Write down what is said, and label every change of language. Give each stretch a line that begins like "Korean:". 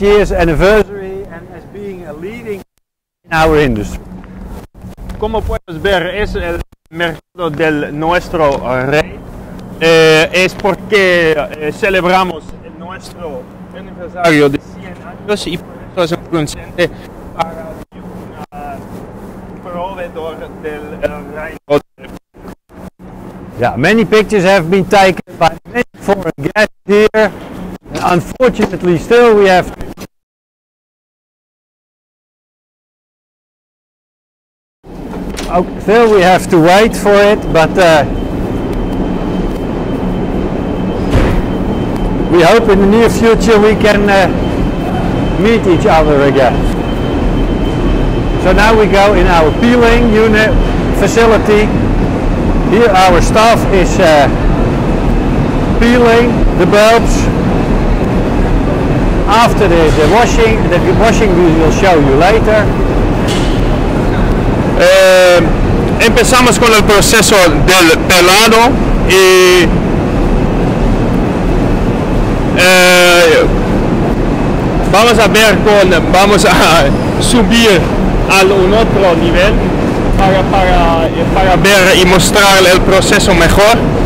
English: years anniversary and as being a leading in our industry.
Spanish: Como puedes ver, es el mercado del nuestro rey. Es porque celebramos el nuestro aniversario de 100 años y por eso es un presente para un proveedor del rey.
English: Yeah, many pictures have been taken by many foreign guests here. Unfortunately, still we have to wait for it, but we hope in the near future we can meet each other again. So now we go in our peeling unit facility. Here our staff is peeling the bulbs. After the washing we will show you later.
Spanish: Empezamos con el proceso del pelado y vamos a subir a un otro nivel para ver y mostrar el proceso mejor.